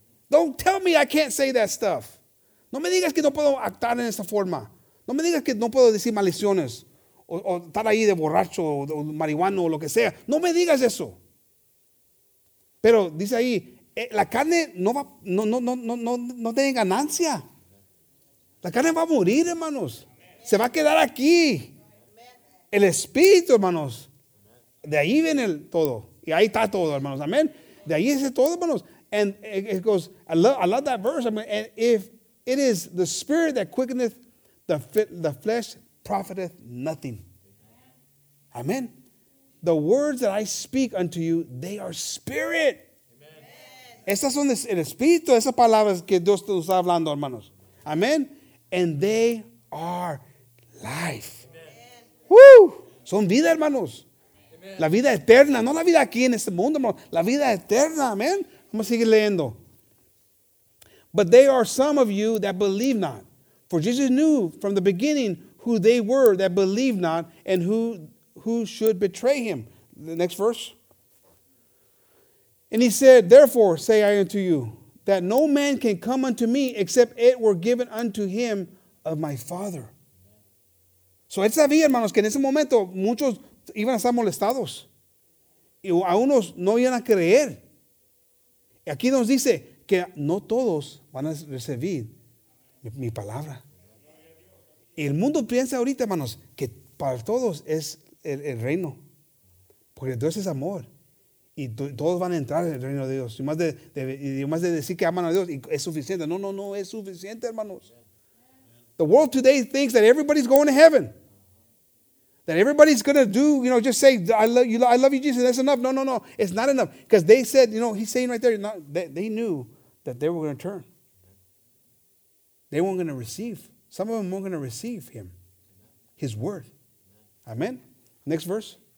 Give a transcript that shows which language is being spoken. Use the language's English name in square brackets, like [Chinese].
[English] Don't tell me I can't say that stuff. [Spanish] No me digas que no puedo actuar en esa forma. No me digas que no puedo decir maldiciones o estar ahí de borracho o marihuana o lo que sea. No me digas eso. Pero dice ahí, la carne no va, no tiene ganancia. La carne va a morir, hermanos. Se va a quedar aquí. El espíritu, hermanos. De ahí viene el todo. Y ahí está todo, hermanos. Amén. De ahí es todo, hermanos. [English] And it goes, I love that verse. I mean, and if it is the spirit that quickeneth, the flesh profiteth nothing. Amen. The words that I speak unto you, they are spirit. [Spanish] Amen. Esas son el espíritu, esas palabras que Dios te está hablando, hermanos. Amen. [English] And they are life. Amen. Woo! [Spanish] Son vida, hermanos. Amen. La vida eterna, no la vida aquí en este mundo, hermanos. La vida eterna, amen. Vamos a seguir leyendo. [English] But there are some of you that believe not. For Jesus knew from the beginning who they were that believed not and who should betray him. The next verse. And he said, therefore say I unto you, that no man can come unto me except it were given unto him of my Father. [Spanish] So él sabía, hermanos, que en ese momento muchos iban a estar molestados. Y a unos no iban a creer. Aquí nos dice que no todos van a recibir mi palabra. El mundo piensa ahorita, hermanos, que para todos es el reino. Porque Dios es amor. Y todos van a entrar en el reino de Dios. Y más de decir que aman a Dios, y es suficiente. No, no, no, es suficiente, hermanos. [English] The world today thinks that everybody's going to heaven. That everybody's going to do, you know, just say, I love you, Jesus, that's enough. No, no, no, it's not enough. Because they said, you know, he's saying right there, not, they knew that they were going to turn. They weren't going to receive. Some of them weren't going to receive him, his word. Amen. Next verse.